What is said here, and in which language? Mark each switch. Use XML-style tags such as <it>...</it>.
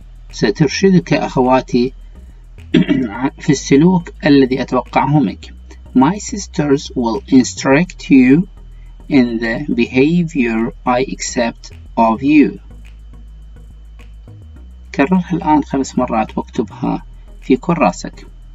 <ar>سترشدك أخواتي في السلوك الذي أتوقعه منك.</ar> <en>My sisters will instruct you in the behavior I expect of you.</en> <ar>كررها الآن 5 مرات واكتبها في كراسك.</ar>